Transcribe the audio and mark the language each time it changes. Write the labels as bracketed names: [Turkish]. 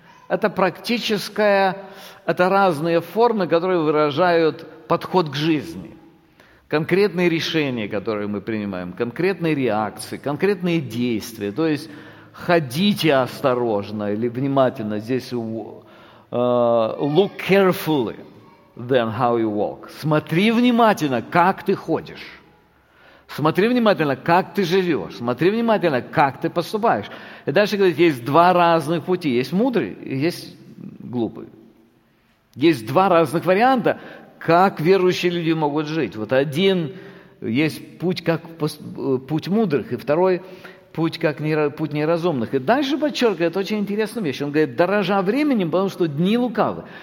[Russian] Это практическое, это разные формы, которые выражают подход к жизни. Конкретные решения, которые мы принимаем, конкретные реакции, конкретные действия. То есть ходите осторожно или внимательно. Здесь [English] look carefully, then how you walk. [Russian] Смотри внимательно, как ты ходишь. Смотри внимательно, как ты живешь. Смотри внимательно, как ты поступаешь. И дальше говорит, есть два разных пути. Есть мудрый, есть глупый. Есть два разных варианта. Как верующие люди могут жить? Вот один есть путь, как путь мудрых, и второй путь, как путь неразумных. И дальше подчеркивает очень интересную вещь. Он говорит, дорожа временем, потому что дни лукавы.